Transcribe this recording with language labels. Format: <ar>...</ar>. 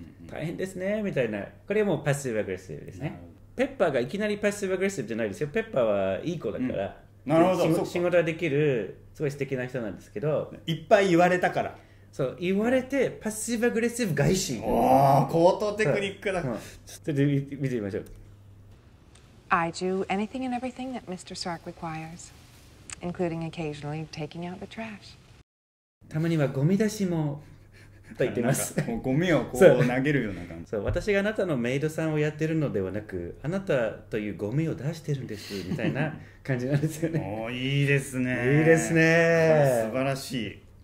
<ja>大変ですねみたいな。これはもうパッシブアグレッシブですね。ペッパーがいきなりパッシブアグレッシブじゃないですよ。ペッパーはいい子だから、うん、なるほど、仕事ができるすごい素敵な人なんですけど、いっぱい言われたから、そう言われてパッシブアグレッシブ外心。おー、高等テクニックだ。ちょっと見てみましょう。</ja> <en>I do anything and everything that Mr. Stark requires, including occasionally taking out the trash.</en> <ja>たまにはゴミ出しもと言ってます。ゴミをこう投げるような感じ。そう、私があなたのメイドさんをやってるのではなく、あなたというゴミを出してるんですみたいな感じなんですよね。おー、いいですね。いいですね。素晴らしい。</ja>